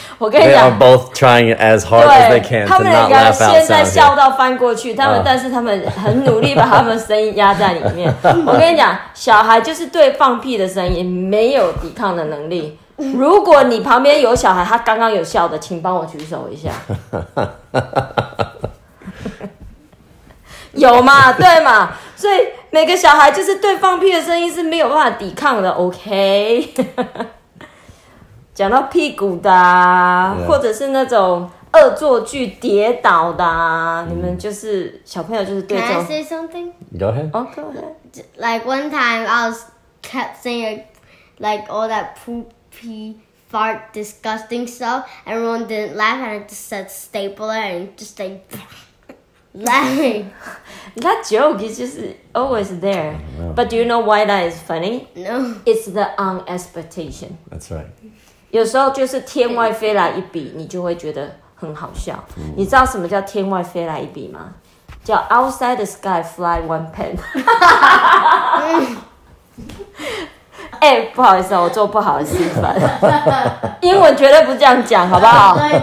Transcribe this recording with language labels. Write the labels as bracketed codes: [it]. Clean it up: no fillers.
[en] They are both trying as hard as they can to not laugh out loud. [zh] 他们现在笑到翻过去，他们但是他们很努力把他们声音压在里面。我跟你讲，小孩就是对放屁的声音没有抵抗的能力。如果你旁边有小孩，他刚刚有笑的，请帮我举手一下。有嘛？对嘛？所以每个小孩就是对放屁的声音是没有办法抵抗的。 OK 。 讲到屁股的啊， yeah. 或者是那种恶作剧跌倒的啊， mm-hmm. 你们就是小朋友就是对这种。 [en] Can I say something? Go ahead. Oh, go ahead. Like one time, I was kept saying like all that poopy, fart, disgusting stuff. Everyone didn't laugh, and I just said stapler and just like laughing. That joke is just always there. But do you know why that is funny? No. It's the unexpectation. That's right. [zh] 有时候就是天外飞来一笔，你就会觉得很好笑。你知道什么叫天外飞来一笔吗？叫 [en] outside the sky fly one pen。 [zh] 哎，不好意思，我做不好的示范。英文绝对不这样讲，好不好？